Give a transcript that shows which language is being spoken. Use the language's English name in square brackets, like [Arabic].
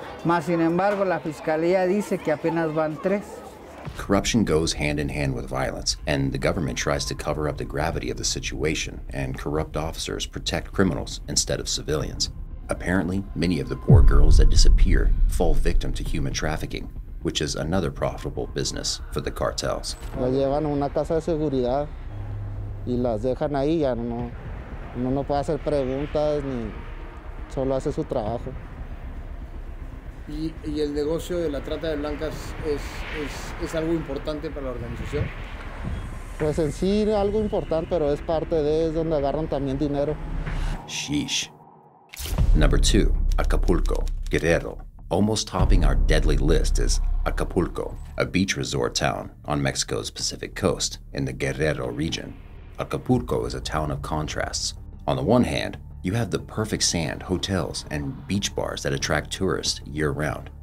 [Spanish] Mas sin embargo, la fiscalía dice que apenas van tres. [English] Corruption goes hand in hand with violence, and the government tries to cover up the gravity of the situation, and corrupt officers protect criminals instead of civilians. Apparently, many of the poor girls that disappear fall victim to human trafficking, which is another profitable business for the cartels. [Spanish] Las llevan a una casa de seguridad y las dejan ahí, ya no puede hacer preguntas ni solo hace su trabajo. ¿Y el negocio de la trata de blancas es algo importante para la organización? Pues en sí, algo importante, pero es parte de, es donde agarran también dinero. [English] Sheesh. Number two, Acapulco, Guerrero. Almost topping our deadly list is Acapulco, a beach resort town on Mexico's Pacific coast in the Guerrero region. Acapulco is a town of contrasts. On the one hand, you have the perfect sand, hotels, and beach bars that attract tourists year-round.